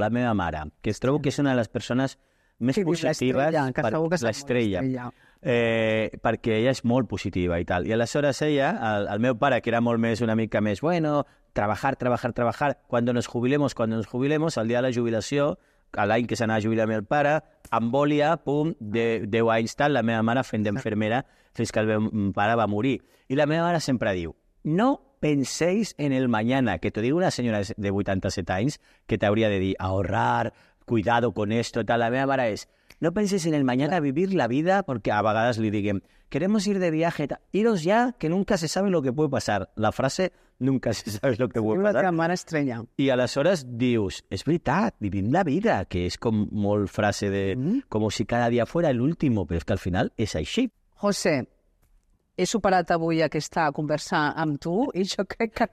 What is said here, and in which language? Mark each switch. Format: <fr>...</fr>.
<ca>La meva mare, que es trobo que és una de les persones més positives, l'Estrella, perquè ella és molt positiva i tal. I aleshores ella, el meu pare, que era molt més, una mica més, bueno, treballar, quan</ca> <es>nos jubilemos,</es> <ca>el dia de la jubilació, l'any que s'anava a jubilar amb el pare, embòlia, pum, 10 anys tal, la meva mare fent d'enfermera fins que el meu pare va morir. I la meva mare sempre diu,</ca> <es>no penséis en el mañana, que te digo una señora de 87 años que te habría de decir ahorrar, cuidado con esto, tal.</es> <ca>La meva mare es,</ca> <es>no penséis en el mañana, vivir la vida, porque</es> <ca>a vegades li diguem,</ca> <es>queremos ir de viaje, iros ya, que nunca se sabe lo que puede pasar. La frase, nunca se sabe lo que puede pasar.</es> <ca>Diu la teva mare estranya. I aleshores dius, és veritat, vivim la vida, que és com molt frase de,</ca> <es>como si cada dia fuera el último,</es> <ca>però és que al final és així. José, he superat avui aquesta conversa amb tu i jo crec que...</ca>